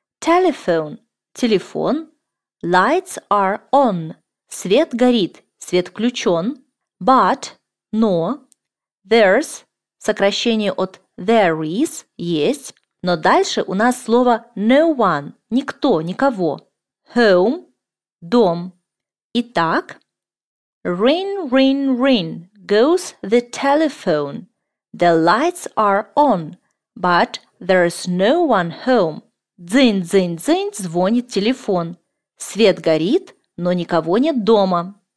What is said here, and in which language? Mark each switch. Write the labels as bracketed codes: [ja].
[ru] Telephone – телефон. [en] Lights are on [ru] – свет горит, свет включен. [en] But – но. [ru] There's – сокращение от [en] there is [ru] – есть. Но дальше у нас слово [en] no one [ru] – никто, никого. [en] Home – дом. [ru] Итак, [en] ring, ring, ring goes the telephone. The lights are on, but there is no one home. [ru] Дзынь, дзынь, дзынь, звонит телефон. Свет горит, но никого нет дома.